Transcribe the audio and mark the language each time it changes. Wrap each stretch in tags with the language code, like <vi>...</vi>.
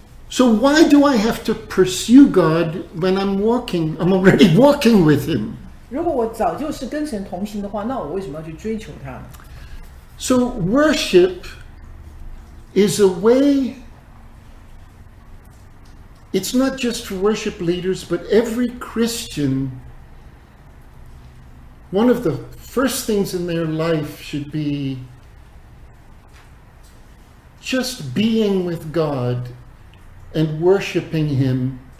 <en>So why do I have to pursue God when I'm walking? I'm already walking with him.</en> <zh>如果我早就是跟神同行的话, 那我为什么要去追求他?</zh> <en>So worship is a way, it's not just for worship leaders, but every Christian, one of the first things in their life should be just being with God and worshiping him.</en>